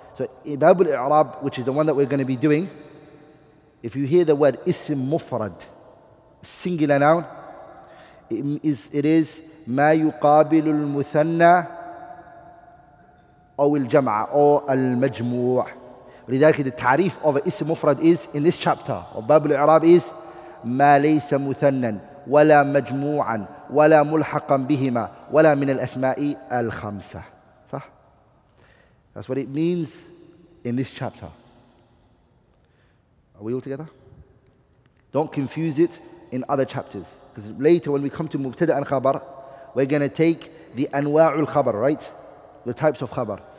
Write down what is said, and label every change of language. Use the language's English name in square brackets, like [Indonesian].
[English] So, باب الإعراب, which is the one that we're going to be doing, if you hear the word اسم مفرد, singular noun, It is [Arabic] ما يقابل المثنى أو الجمع أو المجموع. لذلك the تعريف of اسم مفرد [English] is in this chapter of [Arabic] باب الإعراب is ما ليس مثنى ولا مجموعا ولا ملحقا بهما ولا من الأسماء الخمسة. [English] صح؟ That's what it means in this chapter. Are we all together? Don't confuse it in other chapters. Because later when we come to مبتدأ and خبر, we're going to take the أنواع الخبر, right? The types of خبر.